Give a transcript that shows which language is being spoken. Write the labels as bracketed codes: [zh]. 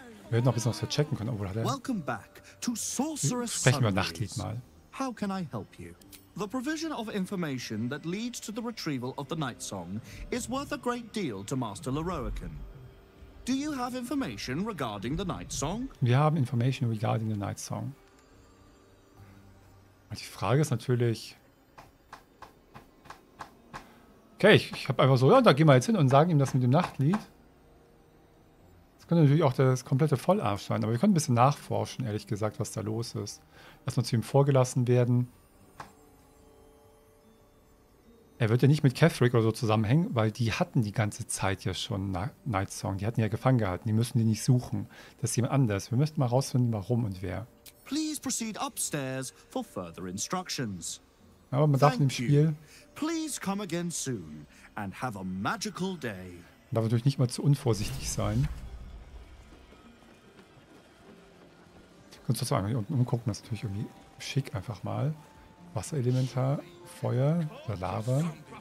[de] Wir hätten noch ein bisschen was verchecken können, obwohl hat er. [en] Welcome back to Sorcerer's Sunrise. [de] Sprechen wir Nachtlied mal. [en] How can I help you? The provision of information that leads to the retrieval of the Night Song is worth a great deal to Master Leroican. Do you have information regarding the Night Song? [de] Wir haben [en] information regarding the Night Song. [de] Und die Frage ist natürlich. Okay, ich habe einfach so, ja, da gehen wir jetzt hin und sagen ihm das mit dem Nachtlied. Könnte natürlich auch das komplette Vollarsch sein, aber wir können ein bisschen nachforschen, ehrlich gesagt, was da los ist. Lass uns zu ihm vorgelassen werden. Er wird ja nicht mit Catherick oder so zusammenhängen, weil die hatten die ganze Zeit ja schon Night Song. Die hatten ja gefangen gehalten. Die müssen die nicht suchen. Das ist jemand anders. Wir müssen mal rausfinden, warum und wer. [en] Please proceed upstairs for further instructions. [de] Aber man darf im Spiel. [en] Please come again soon and have a magical day. [de] Man darf natürlich nicht mal zu unvorsichtig sein. Kannst du einmal hier unten umgucken, das ist natürlich irgendwie schick einfach mal Wasserelementar, Feuer oder Lava.